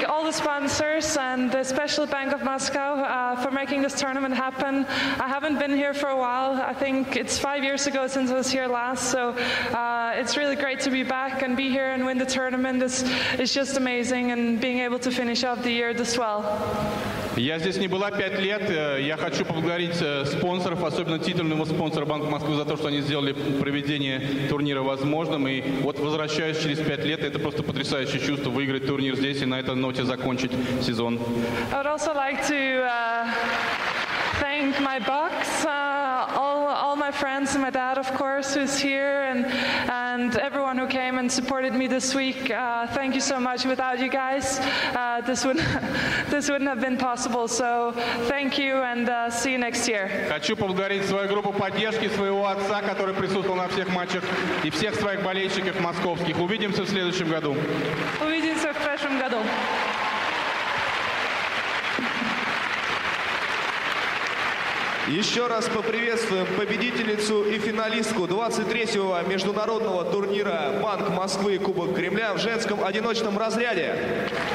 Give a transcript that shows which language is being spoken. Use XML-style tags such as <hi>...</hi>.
<en>Sponsors and especially Bank of Moscow for making this tournament happen. I haven't been here for a while. I think it's 5 years ago since I was here last, so it's really great to be back and be here and win the tournament. It's just amazing, and being able to finish off the year this well.</en> <ru>Я здесь не была 5 лет. Я хочу поблагодарить спонсоров, особенно титульного спонсора Банк Москвы, за то, что они сделали проведение турнира возможным. И вот возвращаюсь через 5 лет. Это просто потрясающее чувство выиграть турнир здесь и на этой ноте закончить сезон.</ru> <en>I would also like to thank my Bucks, all my friends and my dad, of course, who's here, and everyone who came and supported me this week. Thank you so much. Without you guys, this wouldn't have been possible. So thank you, and see you next year.</en> <ru>Хочу поблагодарить свою группу поддержки, своего отца, который присутствовал на всех матчах, и всех своих болельщиков московских. Увидимся в следующем году. Увидимся в следующем году. Еще раз поприветствуем победительницу и финалистку 23-го международного турнира «Банк Москвы» и «Кубок Кремля» в женском одиночном разряде.</ru>